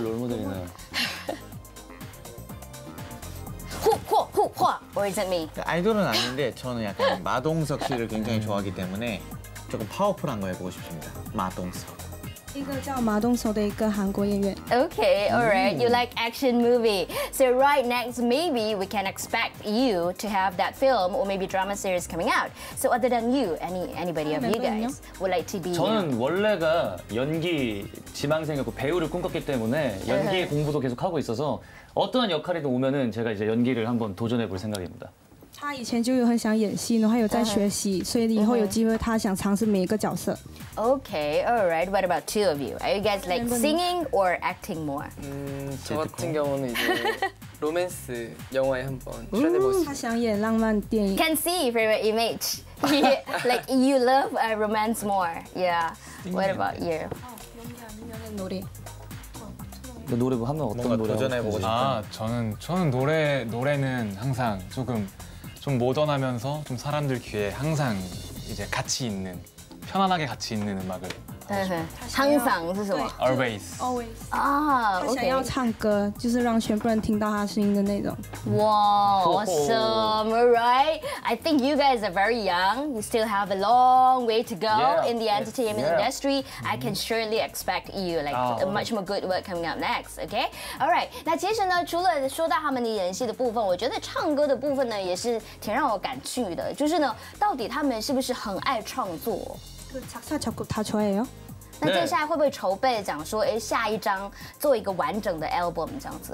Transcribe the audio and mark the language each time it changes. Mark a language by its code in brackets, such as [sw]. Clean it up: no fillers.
[ko] 롤모델이네요 [en] 후화후화 or is it me? [ko] 아이돌은아닌데저는약간마동석씨를굉장히좋아하기때문에조금파워풀한거해보고싶습니다마동석 [zh] 一个叫马东석的一个韩国演员。 [en] Okay, alright. You like action movie. So right next, maybe we can expect you to have that film or maybe drama series coming out. So other than you, anybody of you guys would like to be? [ko] 저는원래가연기지망생이었고배우를꿈꿨기때문에연기의공부도계속하고있어서어떠한역할이든오면은제가이제연기를한번도전해볼생각입니다 [zh] 他以前就有很想演戏，然后有在学习，所以以后有机会，他想尝试每一个角色。 [en] Okay, all right. What about two of you? Are you guys like singing or acting more? [ko] 저같은경우는이제 로맨스영화에한번출연해보고싶 어요 [zh] 他想演浪漫电影。 [en] Can see from your image, like you love a romance more. Yeah. What about you? [ko] 연기아니면노래 노래한번어떤노래 도전해보고싶어요 아저는노래는항상조금좀모던하면서좀사람들귀에항상이제같이있는편안하게같이있는음악을 항상 [zh] 是什么 [en] Always. Always. [zh] 他想要唱歌，就是让全部人听到他声音的那种。哇 [en] ，awesome, right? I think you guys are very young. You still have a long way to go in the entertainment industry. I can surely expect you like much more good work coming up next. Okay, all right. [zh] 那其实呢，除了说到他们的演戏的部分，我觉得唱歌的部分呢，也是挺让我感触的。就是呢，到底他们是不是很爱创作？ [ko] 작사작곡다좋아해요 [zh] 那接下来会不会筹备讲说哎下一张做一个完整的 album 这样子